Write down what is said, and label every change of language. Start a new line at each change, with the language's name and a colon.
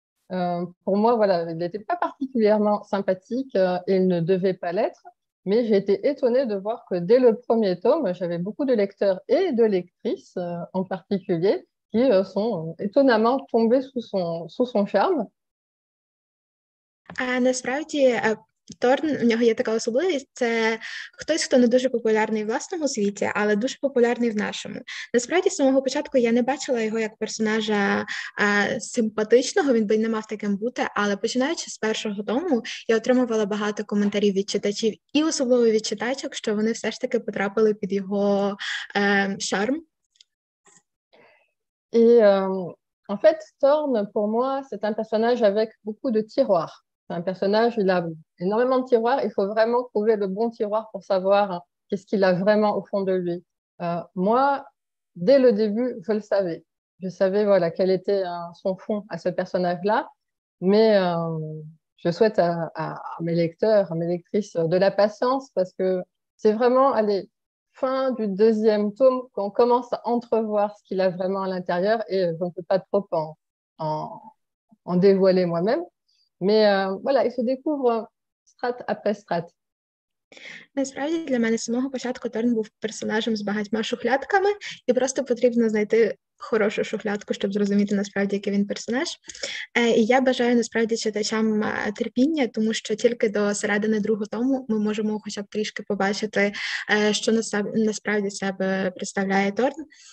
French: Pour moi, voilà, il n'était pas particulièrement sympathique et il ne devait pas l'être. Mais j'ai été étonnée de voir que dès le premier tome, j'avais beaucoup de lecteurs et de lectrices en particulier qui sont étonnamment tombés sous son charme.
Ukrainian: А насправді Торн, у нього є така особливість, це хтось, хто не дуже популярний в власному світі, але дуже популярний в нашому. Насправді, з самого початку я не бачила його як персонажа симпатичного, він би не мав таким бути, але починаючи з першого тому, я отримувала багато коментарів від читачів і особливо від читачок, що вони все ж таки потрапили під його шарм.
French: Et en fait, Thorn, pour moi, c'est un personnage avec beaucoup de tiroirs. C'est un personnage, il a énormément de tiroirs. Il faut vraiment trouver le bon tiroir pour savoir hein, qu'est-ce qu'il a vraiment au fond de lui. Moi, dès le début, je le savais. Je savais voilà, quel était son fond à ce personnage-là. Mais je souhaite à mes lecteurs, à mes lectrices, de la patience parce que c'est vraiment... Allez, fin du deuxième tome, qu'on commence à entrevoir ce qu'il a vraiment à l'intérieur, et je ne peux pas trop en dévoiler moi-même, mais voilà, il se découvre strate après strate.
Ukrainian: Насправді для мене з самого початку Торн був персонажем з багатьма шухлядками, і просто потрібно знайти хорошу шухлядку, щоб зрозуміти насправді, який він персонаж. І я бажаю насправді читачам терпіння, тому що тільки до середини другого тому ми можемо хоча б трішки побачити, що насправді себе представляє Торн.